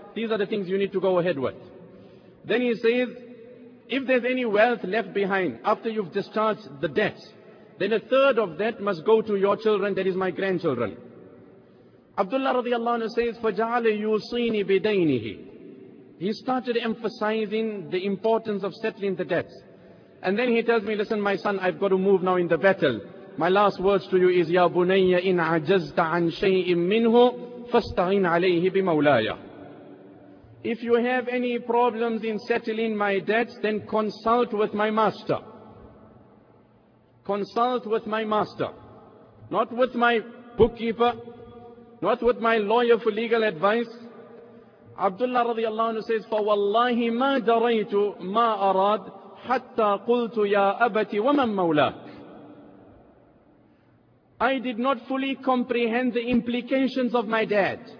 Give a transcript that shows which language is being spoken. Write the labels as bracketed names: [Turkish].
[English] These are the things you need to go ahead with. Then he says, if there's any wealth left behind after you've discharged the debts, then a third of that must go to your children, that is my grandchildren. Abdullah radiallahu anhu says, [Arabic] فَجَعَلَ يُوصِينِ بِدَيْنِهِ. [English] He started emphasizing the importance of settling the debts. And then he tells me, listen, my son, I've got to move now in the battle. My last words to you is, [Arabic] يَا بُنَيَّ إِنْ عَجَزْتَ عَنْ شَيْءٍ مِّنْهُ فَاسْتَعِنْ عَلَيْهِ بِمَوْلَايَ. [English] If you have any problems in settling my debts, then consult with my master. Consult with my master. Not with my bookkeeper. Not with my lawyer for legal advice. Abdullah radiallahu anhu says, [Arabic] فَوَاللَّهِ مَا دَرَيْتُ مَا أَرَادْ حَتَّى قُلْتُ يَا أَبَتِ وَمَنْ مَوْلَاكَ. [English] I did not fully comprehend the implications of my dad.